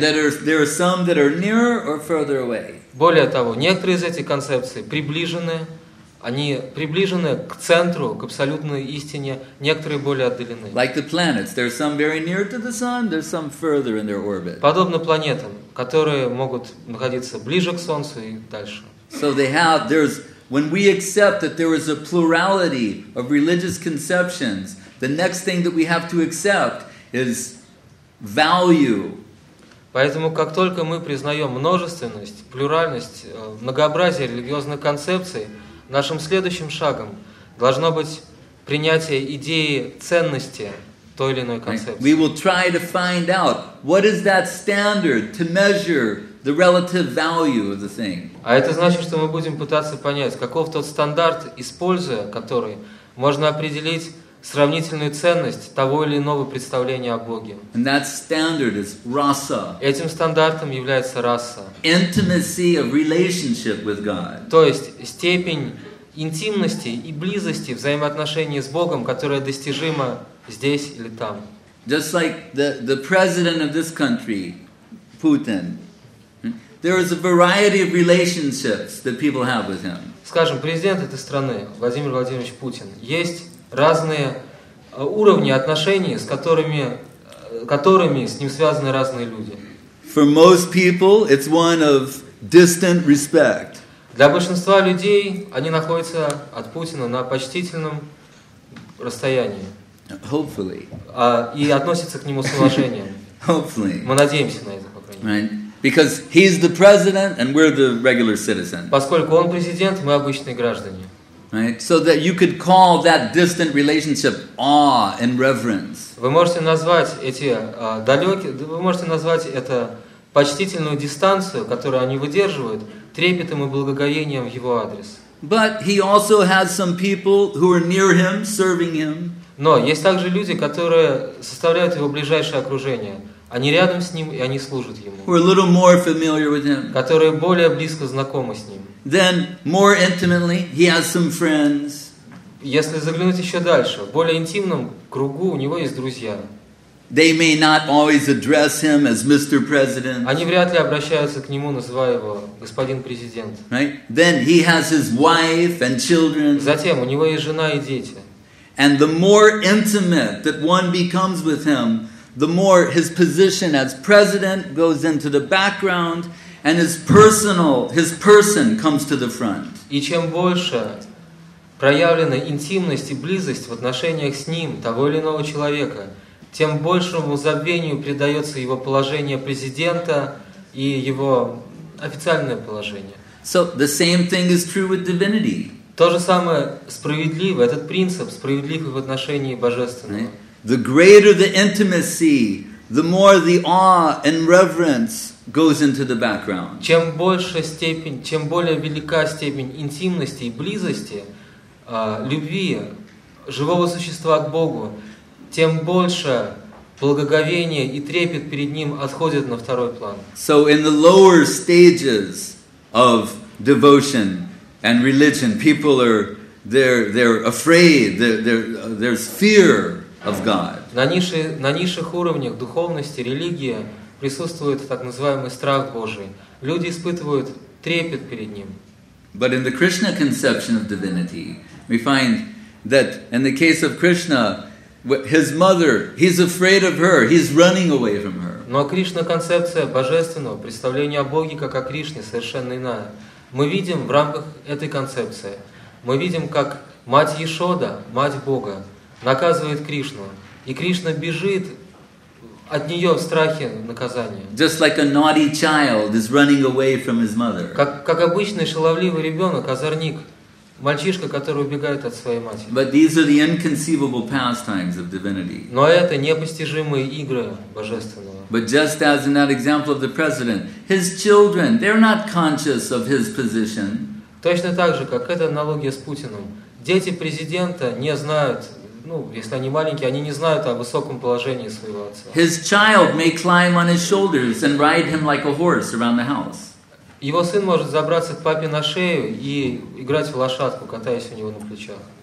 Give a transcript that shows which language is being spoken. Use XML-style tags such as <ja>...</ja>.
<en>And there are some that are nearer or further away.</en> <ru>Более того, некоторые из этих концепций приближены. Они приближены к центру, к абсолютной истине, некоторые более отдалены.</ru> <en>Like the planets, there are some very near to the sun, there are some further in their orbit.</en> <ru>Подобно планетам, которые могут находиться ближе к Солнцу и дальше.</ru> <en>So they have there's when we accept that there is a plurality of religious conceptions, the next thing that we have to accept is value.</en> <ru>Поэтому, как только мы признаем множественность, плюральность, многообразие религиозных концепций, нашим следующим шагом должно быть принятие идеи ценности той или иной концепции.</ru> <en>We will try to find out what is that standard to measure the relative value of the thing.</en> <ru>А это значит, что мы будем пытаться понять, каков тот стандарт, используя который, можно определить сравнительную ценность того или иного представления о Боге.</ru> <en>And that standard is rasa.</en> <ru>Этим стандартом является раса.</ru> <en>Intimacy of relationship with God.</en> <ru>То есть степень интимности и близости взаимоотношений с Богом, которая достижима здесь или там.</ru> <en>Just like the president of this country, Putin, there is a variety of relationships that people have with him.</en> <ru>Скажем, президент этой страны, Владимир Владимирович Путин, есть разные уровни отношений, с которыми с ним связаны разные люди.</ru> <en>For most people, it's one of distant respect.</en> <ru>Для большинства людей они находятся от Путина на почтительном расстоянии.</ru> <en>Hopefully.</en> <ru>И относятся к нему с уважением.</ru> <en>Hopefully.</en> <ru>Мы надеемся на это, по крайней мере.</ru> <en>Right. Because he's the president and we're the regular citizen.</en> <ru>Поскольку он президент, мы обычные граждане.</ru> <en>Right. So that you could call that distant relationship awe and reverence.</en> <ru>Вы можете назвать эти далекие, вы можете назвать это почтительную дистанцию, которую они выдерживают, трепетом и благоговением в его адрес.</ru> <en>But he also has some people who are near him, serving him.</en> <ru>Но есть также люди, которые составляют его ближайшее окружение. Они рядом с ним, и они служат ему.</ru> <en>Who are a little more familiar with him.</en> <ru>Которые более близко знакомы с ним.</ru> <en>Then, more intimately, he has some friends.</en> <ru>Если заглянуть еще дальше, в более интимном кругу у него есть друзья.</ru> <en>They may not always address him as Mr. President.</en> <ru>Они вряд ли обращаются к нему, называя его господин президент.</ru> <en>Right? Then he has his wife and children.</en> <ru>Затем у него есть жена и дети.</ru> <en>And the more intimate that one becomes with him, the more his position as president goes into the background, and his person comes to the front.</en> <ru>И чем больше проявлена интимность и близость в отношениях с ним того или иного человека, тем большему забвению придается его положение президента и его официальное положение.</ru> <en>So the same thing is true with divinity.</en> <ru>То же самое справедливо, этот принцип справедлив и в отношении божественного.</ru> <en>The greater the intimacy, the more the awe and reverence goes into the background.</en> <ru>Чем больше степень, чем более велика степень интимности и близости, любви живого существа к Богу, тем больше благоговение и трепет перед ним отходит на второй план.</ru> <en>So in the lower stages of devotion and religion, people are they're afraid. There's fear of God.</en> <ru>На низших уровнях духовности, религии присутствует так называемый страх Божий. Люди испытывают трепет перед ним.</ru> <en>But in the Krishna conception of divinity, we find that in the case of Krishna, his mother, he's afraid of her. He's running away from her.</en> <ru>Но Кришна концепция божественного представления о Боге как о Кришне совершенно иная. Мы видим в рамках этой концепции, мы видим, как мать Яшода, мать Бога, наказывает Кришну, и Кришна бежит от нее в страхе наказания.</ru> <en>Just like a naughty child is running away from his mother.</en> <ru>Как обычный шаловливый ребенок, озорник. Мальчишка, который убегает от своей матери.</ru> <en>But these are the inconceivable pastimes of divinity.</en> <ru>Но это непостижимые игры божественного.</ru> <en>But just as in that example of the president, his children, they're not conscious of his position.</en> <ru>Точно так же, как эта аналогия с Путиным. Дети президента не знают, ну, если они маленькие, они не знают о высоком положении своего отца.</ru> <en>His child may climb on his shoulders and ride him like a horse around the house.</en> <ru>Его сын может забраться к папе на шею и играть в лошадку, катаясь у него на плечах.</ru>